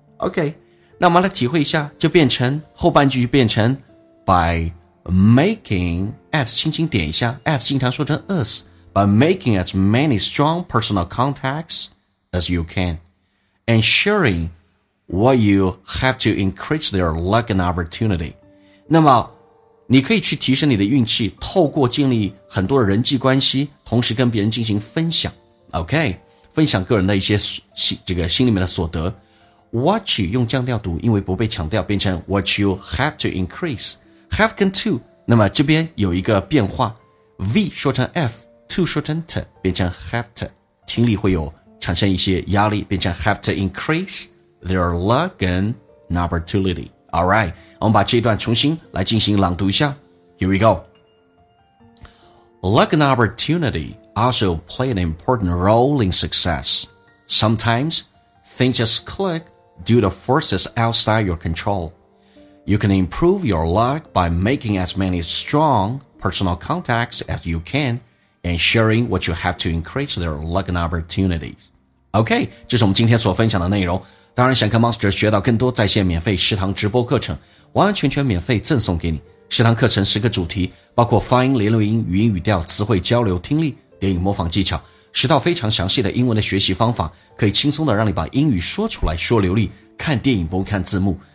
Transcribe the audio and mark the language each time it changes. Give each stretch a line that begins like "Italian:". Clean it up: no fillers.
English: OK，
Chinese: 那我们来体会一下，就变成后半句变成
English: by making as
Chinese: 轻轻点一下
English: as
Chinese: 经常说成
English: us by making as many strong personal contacts as you can。 Ensuring what you have to increase their luck and opportunity.
Chinese: 那么你可以去提升你的运气，透过建立很多人际关系，同时跟别人进行分享。 OK， 分享个人的一些这个心里面的所得。
English: What you
Chinese: 用降调读，因为不被强调，变成
English: what you have to increase.
Chinese: Have 跟 to， 那么这边有一个变化， V 说成 F， to 说成 t， 变成
English: have to， 听力会有产生一些压力，变成 have to increase their luck and opportunity. Alright,
Chinese: 我们把这一段重新来进行朗读一下。
English: Here we go. Luck and opportunity also play an important role in success. Sometimes, things just click due to forces outside your control. You can improve your luck by making as many strong personal contacts as you can and sharing what you have to increase their luck and opportunities.
Chinese: OK， 这是我们今天所分享的内容。当然想跟 Monster 学到更多在线免费食堂直播课程，完完全全免费赠送给你。食堂课程十个主题，包括发音、连读音、语音语调、词汇交流、听力、电影模仿技巧，十套非常详细的英文的学习方法，可以轻松的让你把英语说出来说流利，看电影不用看字幕。